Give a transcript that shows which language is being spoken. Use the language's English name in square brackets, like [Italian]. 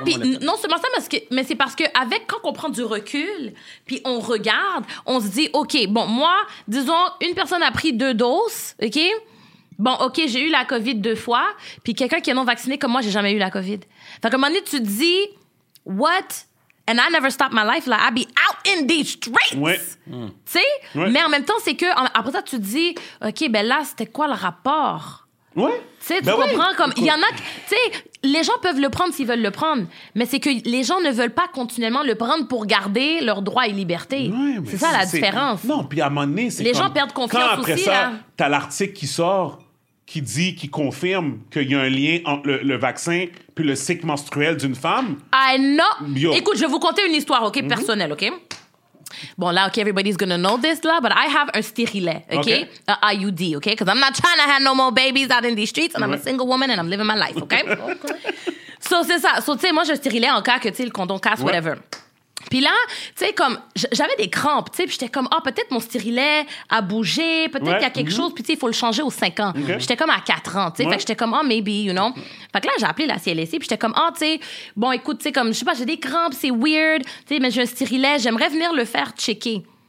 [French] Puis non seulement ça, mais c'est parce que, avec, quand on prend du recul, puis on regarde, on se dit, OK, bon, moi, disons, une personne a pris deux doses, OK? Bon, OK, j'ai eu la COVID deux fois, puis quelqu'un qui est non vacciné comme moi, j'ai jamais eu la COVID. Fait qu'à un moment donné, tu te dis, what? [English] And I never stop my life, like, I be out in the streets! [French] Oui. Tu sais? Oui. Mais en même temps, c'est que, après ça, tu te dis, OK, ben là, c'était quoi le rapport? Oui. T'sais, tu comprends comme, il y en a, tu sais, les gens peuvent le prendre s'ils veulent le prendre, mais c'est que les gens ne veulent pas continuellement le prendre pour garder leurs droits et libertés. Ouais, c'est ça la différence. Non, puis à un moment donné, c'est les comme, gens perdent confiance quand après aussi, ça, hein. T'as l'article qui sort, qui dit, qui confirme qu'il y a un lien entre le vaccin puis le cycle menstruel d'une femme. [English] I know. Yo. [French] Écoute, je vais vous conter une histoire, OK, personnelle, OK? Bon, là, [English] OK, everybody's gonna know this, là, but I have [French] un stérilet, [English] OK? A IUD, OK? Because I'm not trying to have no more babies out in these streets, and I'm a single woman, and I'm living my life, OK? [French] So, c'est ça. So, tu sais, moi, je stérilais en cas que, tu sais, le condom casse, ouais. whatever. Puis là, tu sais, comme, j'avais des crampes, tu sais, puis j'étais comme, ah, oh, peut-être mon stérilet a bougé, peut-être ouais. qu'il y a quelque mm-hmm. chose, puis tu sais, il faut le changer aux 5 ans. Okay. J'étais comme à 4 ans, tu sais, ouais. fait que j'étais comme, ah, oh, [English] maybe, you know. [French] Mm-hmm. Fait que là, j'ai appelé la CLSC, puis j'étais comme, ah, oh, tu sais, bon, écoute, tu sais, comme, je sais pas, j'ai des crampes, c'est weird, tu sais, mais j'ai un stérilet, j'aimerais venir le faire checker.